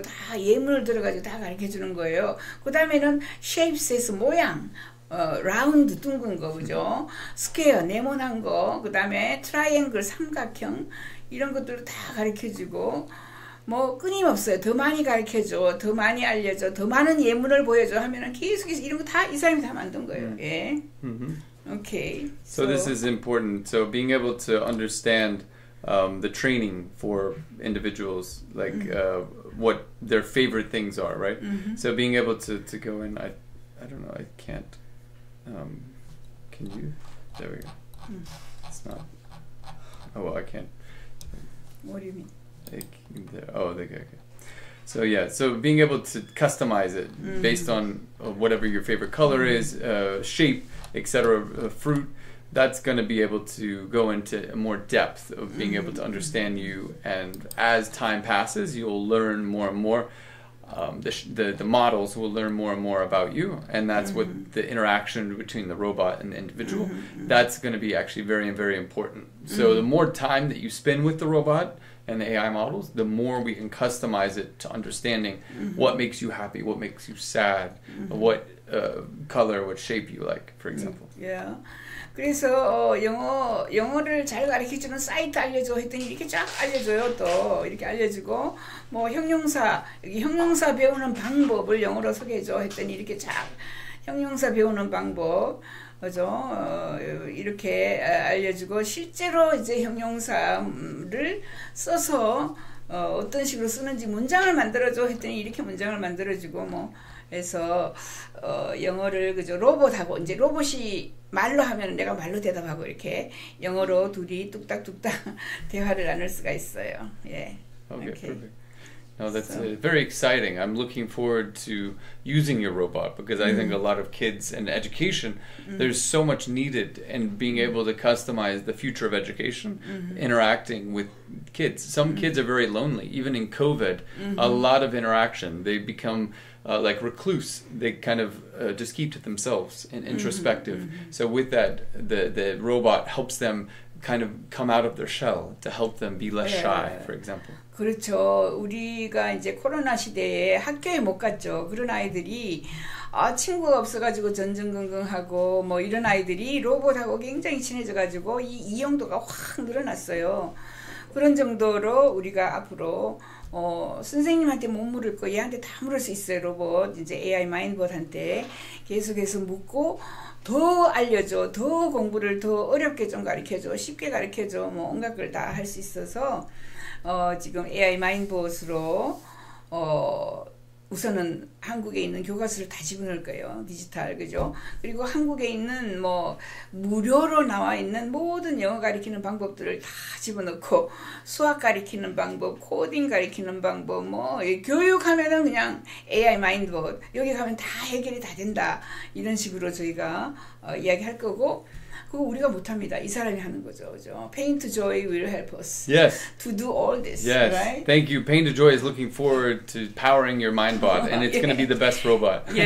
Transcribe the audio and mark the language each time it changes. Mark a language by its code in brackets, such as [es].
[ko] 다 예문을 들어가지고 다 가르쳐주는 거예요. 그 다음에는 shapes 해서 모양 라운드 둥근 거 그죠? 스퀘어 네모난 거 그다음에 트라이앵글 삼각형 이런 것들을 다 가르쳐 주고 뭐 끊임없어요. 더 많이 가르쳐 줘. 더 많이 알려 줘. 더 많은 예문을 보여 줘 하면은 계속해서 이런 거다이 사람이 다 만든 거예요. 예. 오케이. [en] So this is important. So being able to understand the training for individuals, like what their favorite things are, right? So being able to go in, I don't know, I can't. Can you? There we go. It's not. Oh well, I can't. What do you mean? Okay. So yeah, so being able to customize it based on whatever your favorite color is, shape, etc., fruit, that's going to be able to go into more depth of being able to understand you. And as time passes, you'll learn more and more. The models will learn more and more about you, and that's what the interaction between the robot and the individual, that's going to be actually very, very important. So the more time that you spend with the robot and the AI models, the more we can customize it to understanding what makes you happy, what makes you sad, what color, what shape you like, for example. Yeah. [ko] 그래서 영어를 잘 가르쳐 주는 사이트 알려줘 했더니 이렇게 쫙 알려줘요. 또 이렇게 알려주고 뭐 형용사 배우는 방법을 영어로 소개해줘 했더니 이렇게 쫙 형용사 배우는 방법 그죠? 이렇게 알려주고 실제로 이제 형용사를 써서 어떤 식으로 쓰는지 문장을 만들어줘 했더니 이렇게 문장을 만들어주고 뭐 해서 영어를 그죠? 로봇하고 이제 로봇이 말로 하면 내가 말로 대답하고 이렇게 영어로 둘이 뚝딱뚝딱 대화를 나눌 수가 있어요. 예. [en] Okay, Okay. perfect. No, that's very exciting. I'm looking forward to using your robot because I think a lot of kids and education, there's so much needed in being able to customize the future of education, interacting with kids. Some kids are very lonely, even in COVID, a lot of interaction. They become like recluse. They kind of just keep to themselves and introspective. So with that, the robot helps them kind of come out of their shell to help them be less shy, for example. [ko] 그렇죠. 우리가 이제 코로나 시대에 학교에 못 갔죠. 그런 아이들이 친구가 없어가지고 전전긍긍하고 뭐 이런 아이들이 로봇하고 굉장히 친해져가지고 이 이용도가 확 늘어났어요. 그런 정도로 우리가 앞으로 선생님한테 못 물을 거 얘한테 다 물을 수 있어요. 로봇 이제 AI 마인봇한테 계속해서 묻고 더 알려줘, 더 공부를 더 어렵게 좀 가르쳐줘, 쉽게 가르쳐줘, 뭐 온갖 걸다할수 있어서 지금 AI 마인봇으로 우선은 한국에 있는 교과서를 다 집어넣을 거예요. 디지털, 그죠? 그리고 한국에 있는 뭐 무료로 나와 있는 모든 영어 가르치는 방법들을 다 집어넣고, 수학 가르치는 방법, 코딩 가르치는 방법, 뭐 교육하면은 그냥 AI 마인드봇, 여기 가면 다 해결이 다 된다, 이런 식으로 저희가 이야기할 거고, 그거 우리가 못합니다. 이 사람이 하는 거죠, 그죠? [en] Paint Joy will help us Yes. to do all this, Yes. right? Thank you. Pain to Joy is looking forward to powering your mind bot, and it's going to be the best robot.